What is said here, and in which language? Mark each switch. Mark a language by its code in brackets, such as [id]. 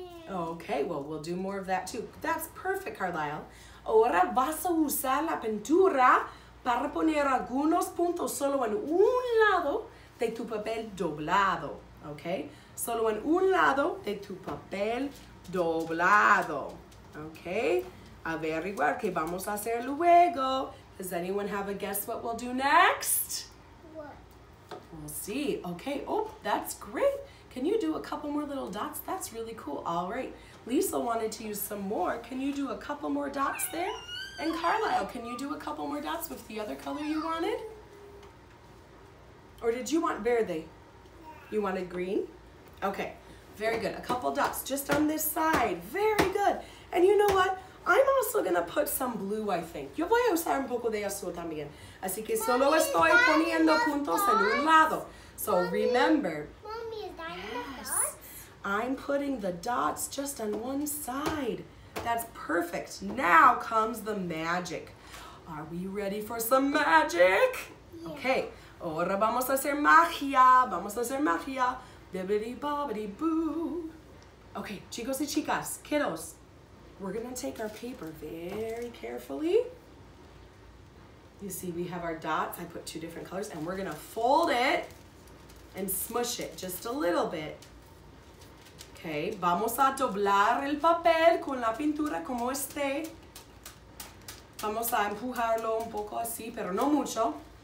[en] Okay, well, we'll do more of that too. That's perfect, Carlisle. [es] Ahora vas a usar la pintura para poner algunos puntos solo en un lado de tu papel doblado. Okay? Solo en un lado de tu papel doblado. Okay? Averiguar qué vamos a hacer luego. [en] Does anyone have a guess what we'll do next? What? We'll see. Okay, oh, that's great. Can you do a couple more little dots? That's really cool. All right. Liesl wanted to use some more. Can you do a couple more dots there? And Carlisle, can you do a couple more dots with the other color you wanted? Or did you want verde? You wanted green? Okay, very good. A couple dots just on this side. Very good. And you know what? I'm also gonna put some blue, I think. [es] Yo voy a usar un poco de azul también. Así que solo estoy poniendo puntos en un lado. [en] So remember. Mommy, is that in the dots? I'm putting the dots just on one side. That's perfect. Now comes the magic. Are we ready for some magic? Yeah. [es] Okay. Ahora vamos a hacer magia. Vamos a hacer magia. Bibbidi bobbidi boo. Okay, chicos y chicas, kiddos. [en] We're gonna take our paper very carefully. You see, we have our dots. I put two different colors, and we're gonna fold it and smush it just a little bit. [es] Okay, vamos a doblar el papel con la pintura como este. Vamos a empujarlo un poco así, pero no mucho.